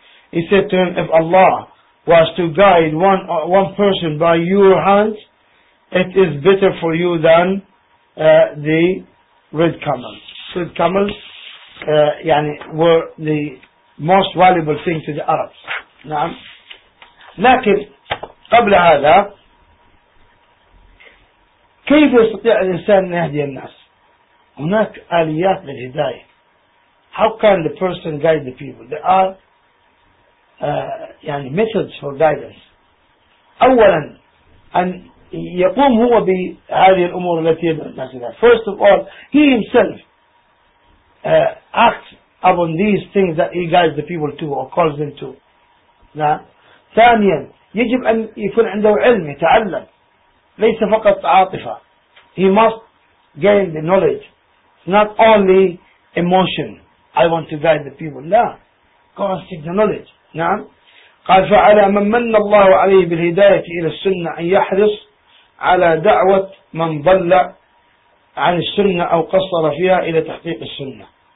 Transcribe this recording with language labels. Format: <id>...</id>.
<en>He said to him, if Allah was to guide one person by your hands, it is better for you than the red camels. Red camels yani were the most valuable thing to the Arabs.</en> <ar>نعم. لكن قبل هذا كيف يستطيع الإنسان أن يهدي الناس؟ هناك آليات للهداية.</ar> <en>How can the person guide the people? There are يعني methods for guidance.</en> <ar>أولا أن يقوم هو بهذه الأمور التي يدعو الناس إليها.</ar> <en>First of all, he himself acts upon these things that he guides the people to or calls them to.</en> <ar>نعم. ثانيا يجب أن يكون عنده علم يتعلم ليس فقط عاطفة.</ar> <en>He must gain the knowledge. It's not only emotion. I want to guide the people.</en> <ar>لا.</ar> <en>Go and seek the knowledge.</en> <ar>نعم. قال فعلى من من الله عليه بالهداية إلى السنة أن يحرص على دعوة من ضل عن السنة أو قصر فيها إلى تحقيق السنة.</ar>